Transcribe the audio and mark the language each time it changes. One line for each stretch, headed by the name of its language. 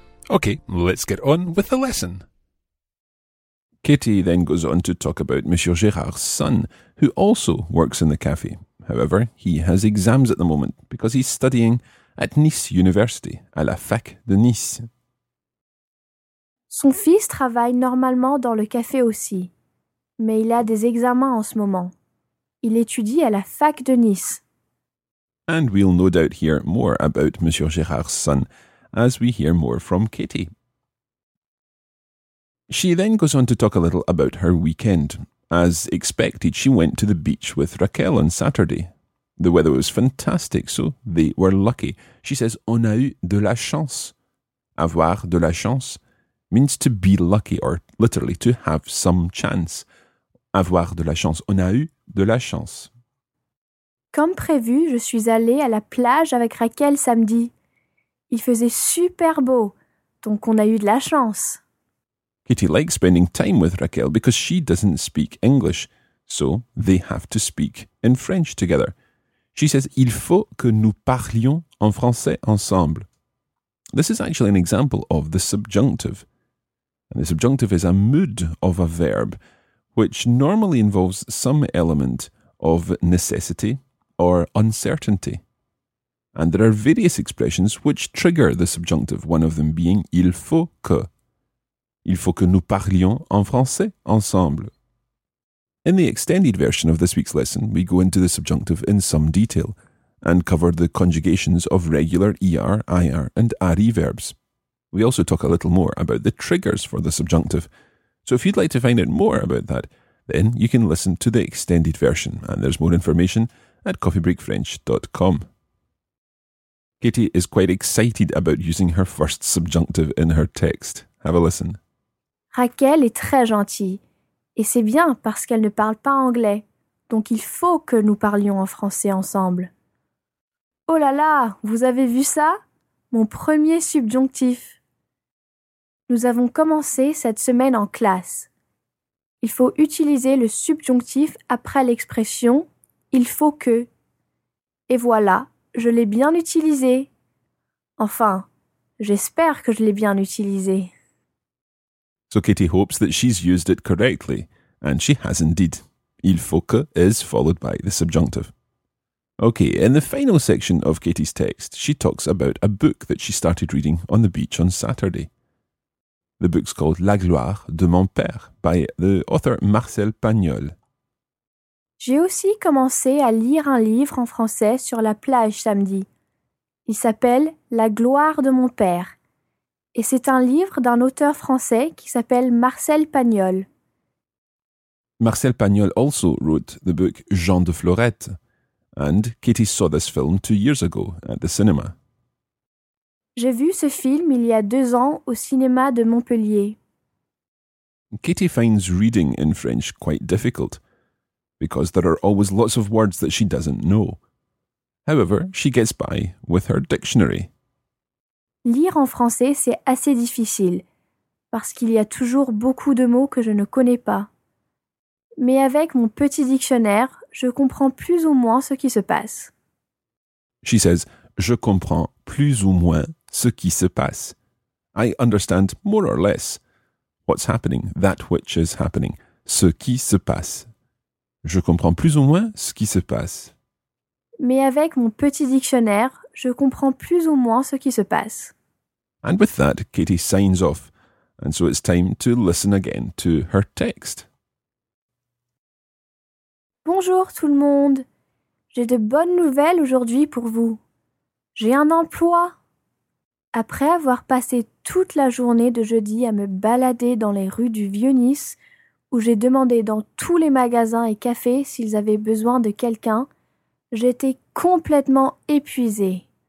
English: Okay, let's get on with the lesson. Katie then goes on to talk about Monsieur Gérard's son, who also works in the café. However, he has exams at the moment because he's studying at Nice University,
French: à la Fac de Nice. Son fils travaille normalement dans le café aussi, mais il a des examens en ce moment. Il étudie à la Fac de Nice.
English: And we'll no doubt hear more about Monsieur Gérard's son, as we hear more from Katie. She then goes on to talk a little about her weekend. As expected, she went to the beach with Raquel on Saturday. The weather was fantastic, so they were lucky. She says,
French: on a eu de la chance. Avoir de la chance
English: means to be lucky, or literally to have some chance.
French: Avoir de la chance, on a eu de la chance. Comme prévu, je suis allée à la plage avec Raquel samedi. Il faisait super beau, donc on a eu de la chance.
English: Katie likes spending time with Raquel because she doesn't speak English, so they have to speak in French together. She says,
French: il faut que nous parlions en français ensemble.
English: This is actually an example of the subjunctive. And the subjunctive is a mood of a verb, which normally involves some element of necessity or uncertainty. And there are various expressions which trigger the subjunctive, one of them being
French: il faut que. Il faut que nous parlions en français ensemble.
English: In the extended version of this week's lesson, we go into the subjunctive in some detail and cover the conjugations of regular ER, IR and RE verbs. We also talk a little more about the triggers for the subjunctive. So if you'd like to find out more about that, then you can listen to the extended version. And there's more information at coffeebreakfrench.com. Katie is quite excited about using her first subjunctive in her text. Have a listen.
French: Raquel est très gentille. Et c'est bien parce qu'elle ne parle pas anglais. Donc il faut que nous parlions en français ensemble. Oh là là, vous avez vu ça? Mon premier subjonctif. Nous avons commencé cette semaine en classe. Il faut utiliser le subjonctif après l'expression « il faut que ». Et voilà. Je l'ai bien utilisé. Enfin, j'espère que je l'ai bien utilisé.
English: So Katie hopes that she's used it correctly, and she has indeed.
French: Il faut que
English: is followed by the subjunctive. Okay, in the final section of Katie's text, she talks about a book that she started reading on the beach on Saturday. The book's called La gloire de mon père by the author Marcel Pagnol.
French: J'ai aussi commencé à lire un livre en français sur la plage samedi. Il s'appelle « La gloire de mon père ». Et c'est un livre d'un auteur français qui s'appelle Marcel Pagnol.
English: Marcel Pagnol also wrote the book « Jean de Florette ». And Katie saw this film 2 years ago at the cinema.
French: J'ai vu ce film il y a 2 ans au cinéma de Montpellier.
English: Katie finds reading in French quite difficult, because there are always lots of words that she doesn't know. However, she gets by with her dictionary.
French: Lire en français, c'est assez difficile, parce qu'il y a toujours beaucoup de mots que je ne connais pas. mais avec mon petit dictionnaire, je comprends plus ou moins ce qui se passe.
English: She says,
French: je comprends plus ou moins ce qui se passe.
English: I understand more or less what's happening, that which is happening,
French: ce qui se passe. Je comprends plus ou moins ce qui se passe. Mais avec mon petit dictionnaire, je comprends plus ou moins ce qui se passe.
English: And with that, Katie signs off. And so it's time to listen again to her text.
French: Bonjour tout le monde. J'ai de bonnes nouvelles aujourd'hui pour vous. J'ai un emploi. Après avoir passé toute la journée de jeudi à me balader dans les rues du Vieux-Nice, où j'ai demandé dans tous les magasins et cafés s'ils avaient besoin de quelqu'un, j'étais complètement épuisée.